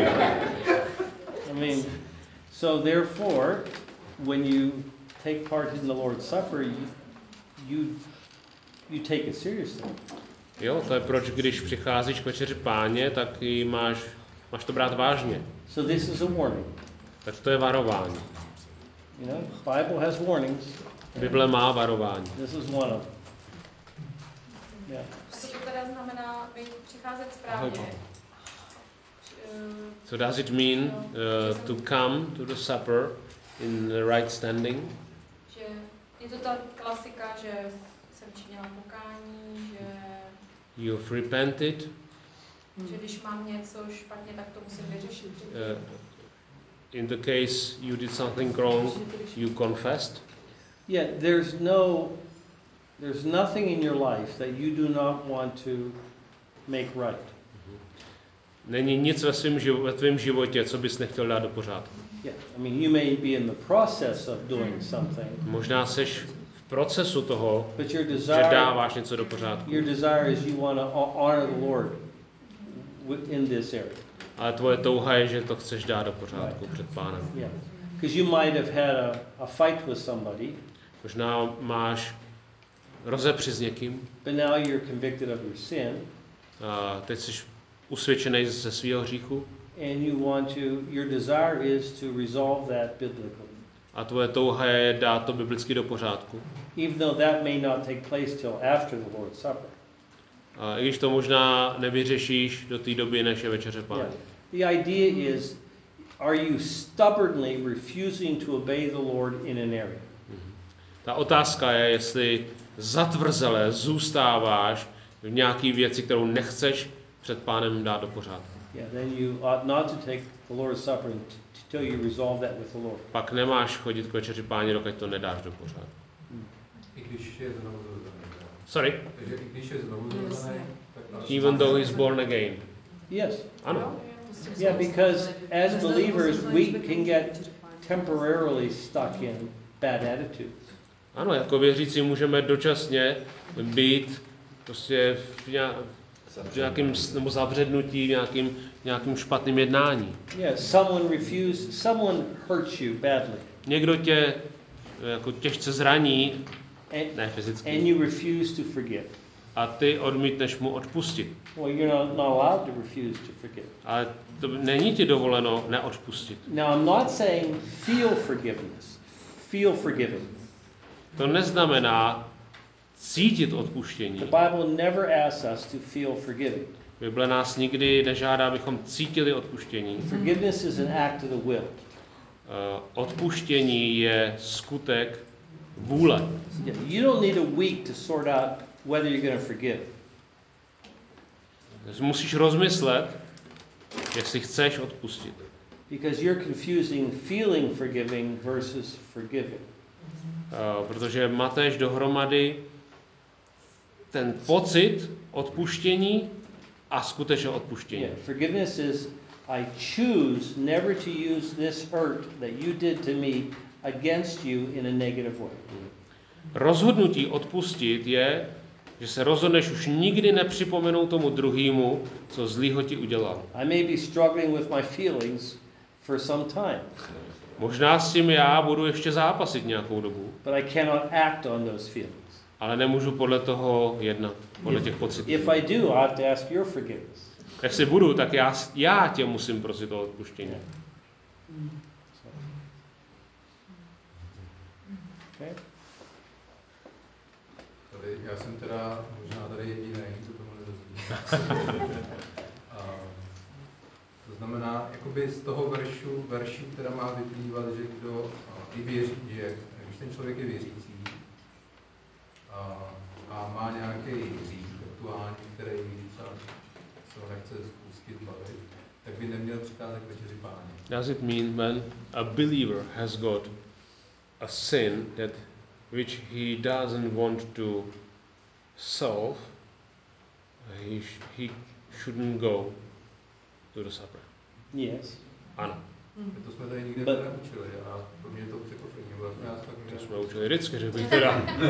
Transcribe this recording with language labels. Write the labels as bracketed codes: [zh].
[en] I mean, so therefore, when you take part in the Lord's Supper, you take it seriously. [cs] Jo, to je proč, když přicházíš k večeři Páně, tak máš to brát vážně. [en] So this is a warning. [cs] Tak to je varování. [en] You know, Bible has warnings. [cs] Bible má varování. [en] This is one of them. Yeah. [cs] Co to teda znamená, přicházet správně? [en] So does it mean to come to the supper in the right standing? [cs] Že je to ta klasika, že jsem činila pokání, že... [en] You've repented. [cs] Že když mám něco špatně, tak to musím vyřešit. [en] In the case you did something wrong, you confessed. Yeah, there's nothing in your life that you do not want to make right. [cs] Není nic ve tvém životě, co bys nechtěl dát do pořádku. [en] Yeah, I mean, you may be in the process of doing something. [cs] Možná seš v procesu toho, že dáváš něco do pořádku. [en] Your desire is you want to honor the Lord in this area. [cs] Ale tvoje touha je, že to chceš dát do pořádku před Pánem. [en] Yeah. Because you might have had a fight with somebody. [cs] Možná máš rozepři s někým. [en] But now you're convicted of your sin. [cs] Teď jsi usvědčený ze svého hříchu. [en] And you want to, your desire is to resolve that biblically. [cs] A tvoje touha je dát to biblicky do pořádku. [en] Even though that may not take place till after the Lord's Supper. [cs] A i když to možná nevyřešíš do té doby, než je večeře Páně. [en] Yeah. The idea is, are you stubbornly refusing to obey the Lord in an area? [cs] Ta otázka je, jestli zatvrzele zůstáváš v nějaký věci, kterou nechceš před Pánem dát do pořádku. [en] Yeah, then you ought not to take the Lord's Supper until you resolve that with the Lord. [cs] Pak nemáš chodit k večeři Páně, dokud to nedáš do pořádku. I když je znovu zrozené. [en] Sorry. [cs] Takže i když je znovu zrozené, tak... [en] Even though he's born again. Yes. [cs] Ano. [en] Yeah, because as believers, we can get temporarily stuck in bad attitudes. [cs] Ano, jako věřící můžeme dočasně být prostě v nějakým nebo zavřednutí nějakým špatným jednání. [en] Yeah, someone refused, someone hurt you badly. [cs] Někdo tě jako těžce zraní, ne fyzicky. [en] And you refuse to forgive. [cs] A ty odmítneš mu odpustit. [en] Well, you're not allowed to refuse to forgive. [cs] A to není ti dovoleno neodpustit. [en] Now I'm not saying feel forgiveness. Feel forgiven. [cs] To neznamená cítit odpuštění. [en] The Bible never asks us to feel forgiven. [cs] Bible nás nikdy nežádá, abychom cítili odpuštění. [en] Forgiveness is an act of the will. [cs] Odpuštění je skutek vůle. [en] You don't need a week to sort out whether you're going to forgive. [cs] Musíš rozmyslet, jestli chceš odpustit. [en] Because you're confusing feeling forgiving versus forgiving. [cs] Protože mateš dohromady ten pocit odpuštění a skutečné odpuštění. [en] Yeah, forgiveness is I choose never to use this hurt that you did to me against you in a negative way. [cs] Rozhodnutí odpustit je, že se rozhodneš už nikdy nepřipomenout tomu druhému, co zlýho ti udělal. [en] I may be struggling with my feelings for some time. [cs] Možná s tím já budu ještě zápasit nějakou dobu. [en] But I cannot act on those feelings. [cs] Ale nemůžu podle toho jednat, podle těch pocitů. [en] If I do, I have to ask your forgiveness. [cs] Jestli budu, tak já tě musím prosit o odpuštění. Tady, já jsem teda možná tady jedinej, co tomu nerozumím. To znamená, jakoby z toho veršu, která má vyplývat, že kdo věří, že když ten člověk je věřící, a má nějaký hřích aktuální, který třeba se ho nechce zpustit bavit, tak by neměl přicházet k večeři Páně. [en] Does it mean when a believer has got a sin that which he doesn't want to solve, he shouldn't go to the supper? Yes. [cs] Ano. To jsme tady nikde neučili a pro mě je to překvapení. To jsme učili vždycky, že bych teda...